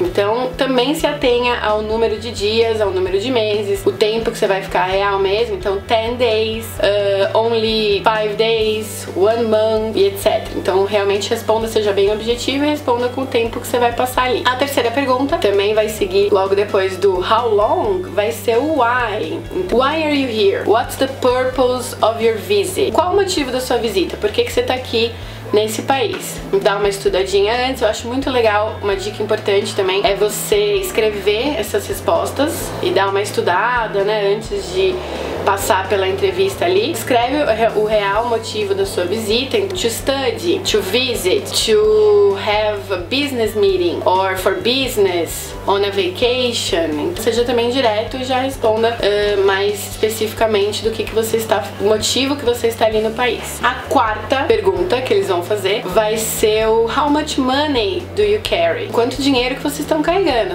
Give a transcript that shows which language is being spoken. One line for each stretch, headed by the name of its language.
Portuguese: Então também se atenha ao número de dias, ao número de meses, o tempo que você vai ficar real mesmo.
English: Então 10 days, only 5 days, 1 month, e etc.
Portuguese: Então realmente responda, seja bem objetivo e responda com o tempo que você vai passar ali. A terceira pergunta também vai seguir logo depois do
English: "How long?",
Portuguese: vai ser o "Why?".
English: Então, why are you here? What's the purpose of your visit?
Portuguese: Qual o motivo da sua visita? Por que que você tá aqui nesse país? Dá uma estudadinha antes. Eu acho muito legal, uma dica importante também é você escrever essas respostas e dar uma estudada, né, antes de passar pela entrevista ali. Escreve o real motivo da sua visita:
English: to study, to visit, to have a business meeting, or for business, on a vacation.
Portuguese: Então, seja também direto e já responda mais especificamente do que você está, o motivo que você está ali no país. A quarta pergunta que eles vão fazer vai ser o
English: How much money do you carry?
Portuguese: Quanto dinheiro que vocês estão carregando?